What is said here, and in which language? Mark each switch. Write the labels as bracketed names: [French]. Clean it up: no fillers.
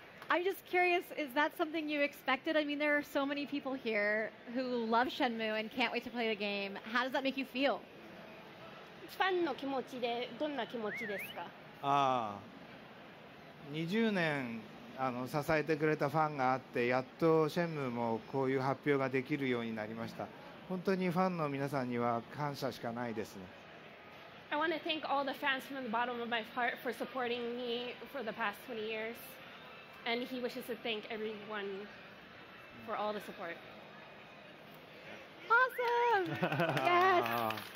[English] I'm just curious, is that something you expected? I mean, there are so many people here who love Shenmue and can't wait to play the game. How does that make you feel? [Japanese] ファンの気持ちでどんな気持ちですか？ああ、20年あの支えてくれたファンがあって、やっとシェンムーもこういう発表ができるようになりました。本当にファンの皆さんには感謝しかないですね。 [English] I want to thank all the fans from the bottom of my heart for supporting me for the past 20 years. And he wishes to thank everyone for all the support. Awesome! Yes!